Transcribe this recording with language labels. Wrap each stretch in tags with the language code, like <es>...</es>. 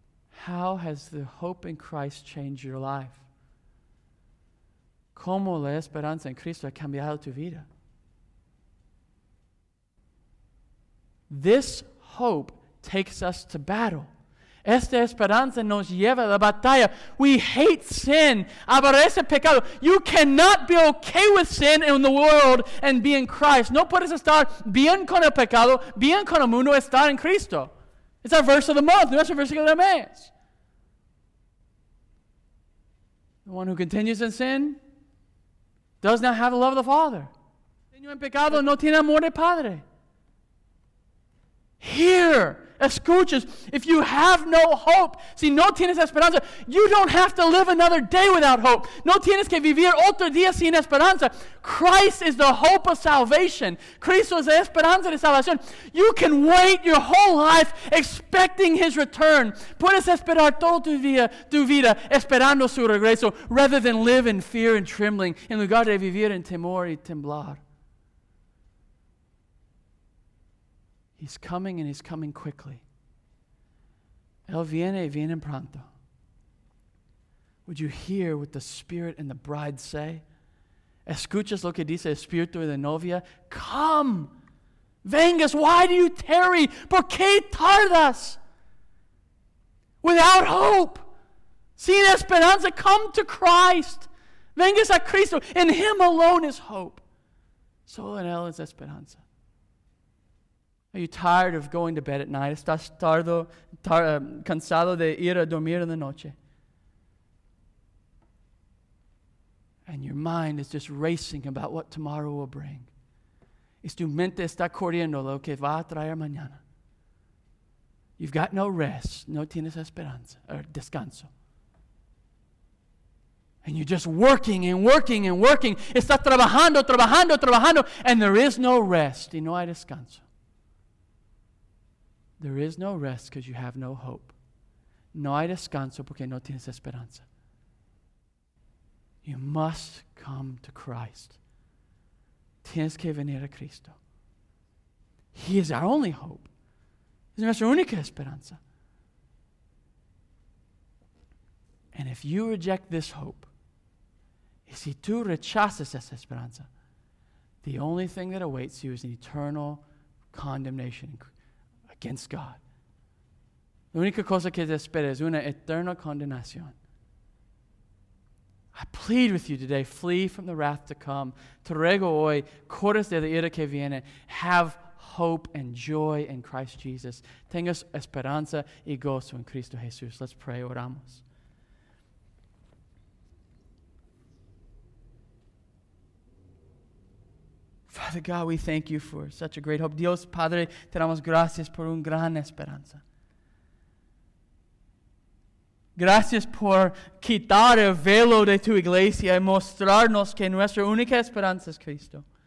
<en>How has the hope in Christ changed your life?</en> <es>¿Cómo la esperanza en Cristo ha cambiado tu vida?</es> <en>This hope takes us to battle.</en> <es>Esta esperanza nos lleva a la batalla.</es> <en>We hate sin.</en> <es>Aborrece pecado.</es> <en>You cannot be okay with sin in the world and be in Christ.</en> <es>No puedes estar bien con el pecado, bien con el mundo, estar en Cristo.</es> <en>It's our verse of the month.</en> <es>Nuestro versículo de mes.</es> <en>The one who continues in sin does not have the love of the Father.</en> <es>Continúa en pecado, no tiene amor de Padre.</es> <en>Here.</en> <es>Escuches,</es> <en>if you have no hope,</en> <es>si no tienes esperanza,</es> <en>you don't have to live another day without hope.</en> <es>No tienes que vivir otro día sin esperanza.</es> <en>Christ is the hope of salvation.</en> <es>Cristo es la esperanza de salvación.</es> <en>You can wait your whole life expecting his return.</en> <es>Puedes esperar toda tu vida esperando su regreso</es> <en>rather than live in fear and trembling</en> <es>en lugar de vivir en temor y temblar.</es> <en>He's coming and he's coming quickly.</en> <es>Él viene y viene pronto.</es> <en>Would you hear what the Spirit and the bride say?</en> <es>Escuchas lo que dice el Espíritu y la novia?</es> <en>Come!</en> <es>Vengas,</es> <en>why do you tarry?</en> <es>¿Por qué tardas?</es> <en>Without hope,</en> <es>sin esperanza,</es> <en>come to Christ.</en> <es>Vengas a Cristo.</es> <en>In him alone is hope.</en> <es>Solo en él es esperanza.</es> <en>Are you tired of going to bed at night?</en> <es>¿Estás cansado de ir a dormir en la noche?</es> <en>And your mind is just racing about what tomorrow will bring.</en> <es>Y tu mente está corriendo lo que va a traer mañana.</es> <en>You've got no rest.</en> <es>No tienes esperanza or descanso.</es> <en>And you're just working and working and working.</en> <es>Estás trabajando, trabajando, trabajando. And there is no rest. Y no hay descanso.</es> <en>There is no rest because you have no hope.</en> <es>No hay descanso porque no tienes esperanza.</es> <en>You must come to Christ.</en> <es>Tienes que venir a Cristo.</es> <en>He is our only hope.</en> <es>Es nuestra única esperanza.</es> <en>And if you reject this hope,</en> <es>y si tú rechazas esa esperanza,</es> <en>the only thing that awaits you is an eternal condemnation against God.</en> <es>La única cosa que te espera es una eterna condenación.</es> <en>I plead with you today, flee from the wrath to come.</en> <es>Te ruego hoy, corres de la ira que viene.</es> <en>Have hope and joy in Christ Jesus.</en> <es>Tengas esperanza y gozo en Cristo Jesús.</es> <en>Let's pray,</en> <es>oramos.</es> <en>Father God, we thank you for such a great hope.</en> <es>Dios Padre, te damos gracias por un gran esperanza. Gracias por quitar el velo de tu iglesia y mostrarnos que nuestra única esperanza es Cristo.</es>